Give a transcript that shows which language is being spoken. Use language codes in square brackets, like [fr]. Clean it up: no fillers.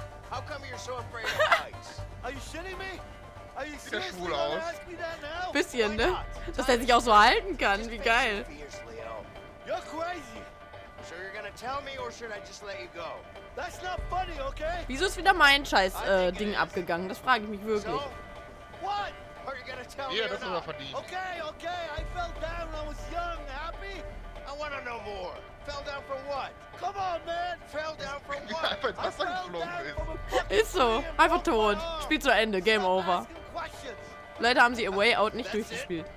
[en] How come you're so afraid of heights? Are you shitting me? Are you [de] sieht schwul aus. Bisschen, ne? Dass er sich auch so halten kann. Wie geil. [en] You're crazy. So you're gonna tell me or should I just let you go? That's not funny, okay? [de] Wieso ist wieder mein scheiß Ding abgegangen? Das frage ich mich wirklich. [en] So, what? [de] Ja, das ist aber verdient. [en] Okay, okay, I fell down, I was young, happy. I wanna know more. Fell down for what? Come on, man, fell down for what? [de] Ja, einfach ins Wasser geflogen ist. Ist so, einfach tot. Spiel zu Ende, [en] Game over. [de] Leider haben sie ihr Way Out nicht durchgespielt.